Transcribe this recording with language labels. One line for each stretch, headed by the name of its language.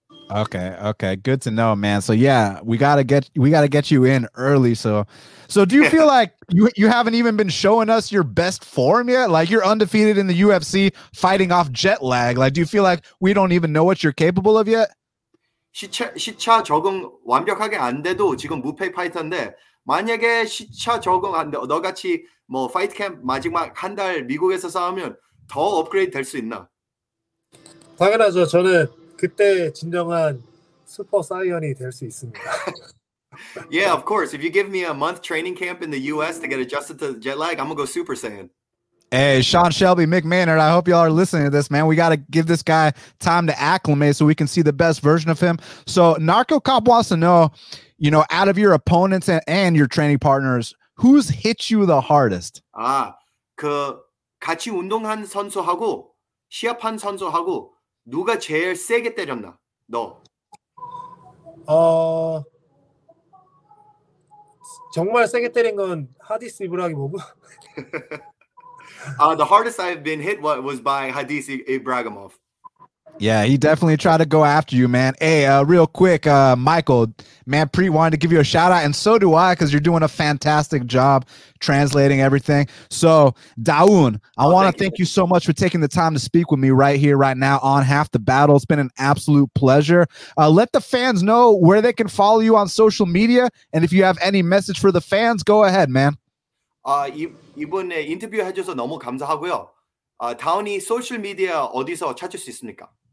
English: Okay. Okay. Good to know, man. So yeah, we got to get you in early. So do you feel like you haven't even been showing us your best form yet? Like you're undefeated in the UFC fighting off jet lag. Like, do you feel like we don't even know what you're capable of yet?
Korean: 시차 적응 완벽하게 안 돼도 지금 무패 파이터인데 만약에 시차 적응 안 돼, 너 같이 뭐 파이트 캠프 마지막 한 달 미국에서 싸우면 더 업그레이드 될 수 있나? 당연하죠. 저는 그때 진정한 슈퍼 사이언이 될 수 있습니다.
English: Yeah, of course. If you give me a month training camp in the US to get adjusted to jet lag, I'm going to go Super Saiyan. Hey, Sean Shelby, Mick Maynard, I hope y'all are listening to this, man. We got to give this guy time to acclimate so we can see the best version of him. So Narco Cop wants to know, you know, out of your opponents and your training partners, who's hit you the hardest?
Korean: 아, 그 같이 운동한 선수하고 시합한 선수하고 누가 제일 세게 때렸나? 너. 정말 세게 때린 건 하디스 이브라기모브.
English: The hardest I've been hit was by Hadis Ibragimov. Yeah, he definitely tried to go after you, man. Hey, real quick, Michael, man, Preet wanted to give you a shout out, and so do I, because you're doing a fantastic job translating everything. So, Daun, I want to thank you so much for taking the time to speak with me right here, right now on Half the Battle. It's been an absolute pleasure. Let the fans know where they can follow you on social media, and if you have any message for the fans, go ahead, man.
Korean: 이번에 인터뷰해줘서 너무 감사하고요. 다운이 소셜 미디어 어디서 찾을 수 있습니까?